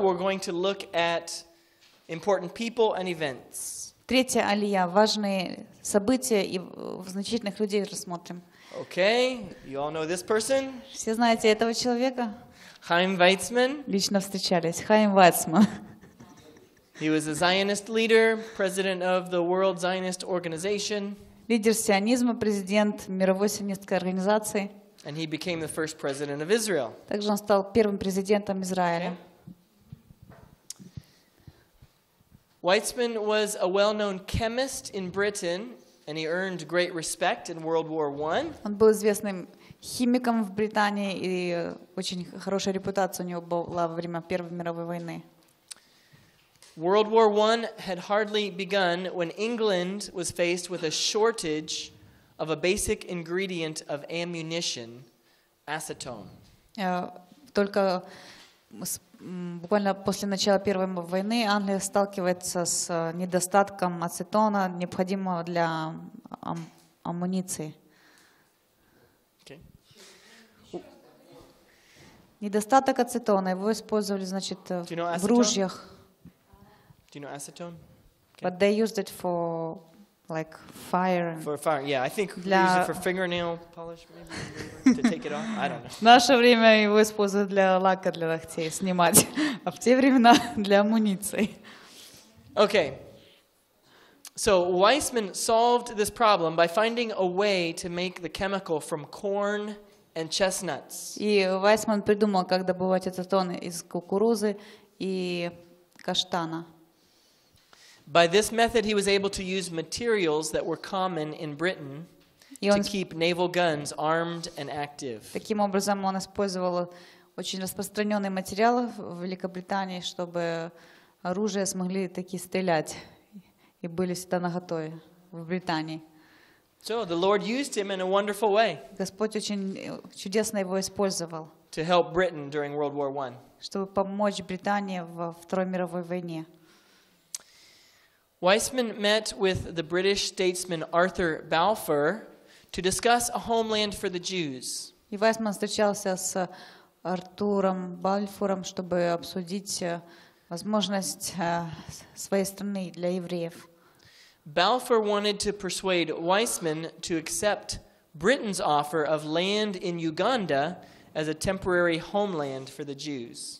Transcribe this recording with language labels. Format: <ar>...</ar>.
<en>We're going to look at important people and events.</en> <ru>Третья Алия. Важные события и значительных людей рассмотрим.</ru> <en>Okay, you all know this person?</en> <ru>Все знаете этого человека? Хаим Зимерман. Лично встречались. Хаим Зимерман.</ru> <en>He was a Zionist leader, president of the World Zionist Organization.</en> <ru>Лидер сионизма, президент мировой сионистской организации.</ru> <en>And he became the first president of Israel.</en> <ru>Также он стал первым президентом Израиля.</ru> <en>Weizmann was a well-known chemist in Britain, and he earned great respect in World War I.</en> <ru>Он был известным химиком в Британии, и очень хорошая репутация у него была во время Первой мировой войны.</ru> <en>World War I had hardly begun when England was faced with a shortage of a basic ingredient of ammunition, acetone.</en> <ru>Только буквально после начала Первой войны Англия сталкивается с недостатком ацетона, необходимого для амуниции.</ru> <en>Okay.</en> <ru>Недостаток ацетона, его использовали, значит, в ружьях.</ru> <en>Do you know acetone? Okay. But they used it for like fire. For fire, yeah. I think we use it for fingernail polish, maybe, to take it off. I don't know.</en> <ru>В наше время его используют для лака для ногтей снимать, а в те времена для амуниции.</ru> <en>Okay. So Weizmann solved this problem by finding a way to make the chemical from corn and chestnuts.</en> <ru>И Weizmann придумал, как добывать этот тон из кукурузы и каштана.</ru> <en>By this method, he was able to use materials that were common in Britain to keep naval guns armed and active.</en> <ru>Таким образом, он использовал очень распространенные материалы в Великобритании, чтобы оружие смогли таки стрелять и были всегда наготове в Британии.</ru> <en>So the Lord used him in a wonderful way.</en> <ru>Господь очень чудесно его использовал.</ru> <en>To help Britain during World War I.</en> <ru>Чтобы помочь Британии во Второй мировой войне.</ru> <en>Weizmann met with the British statesman Arthur Balfour to discuss a homeland for the Jews.</en> <ru>И Weizmann встречался с Артуром Бальфуром, чтобы обсудить возможность своей страны для евреев.</ru> <en>Balfour wanted to persuade Weizmann to accept Britain's offer of land in Uganda as a temporary homeland for the Jews.</en>